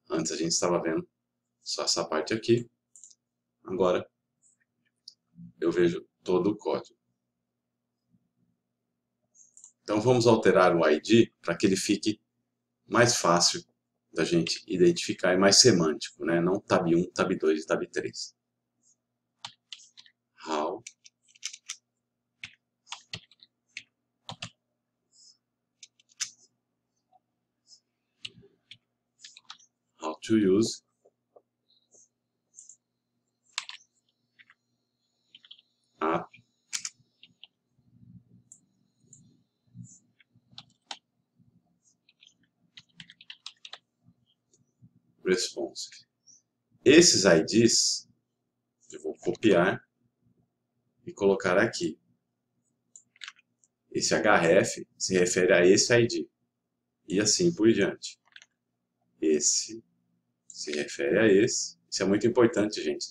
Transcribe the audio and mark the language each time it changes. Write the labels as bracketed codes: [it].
[pt] Antes a gente estava vendo só essa parte aqui. Agora eu vejo todo o código. Então vamos alterar o ID para que ele fique mais fácil da gente identificar, é mais semântico, né? Não tab 1, tab 2 e tab 3. [en] How to use app Responsive. [pt] Esses IDs eu vou copiar e colocar aqui. Esse href se refere a esse ID e assim por diante. Esse se refere a esse. Isso é muito importante, gente.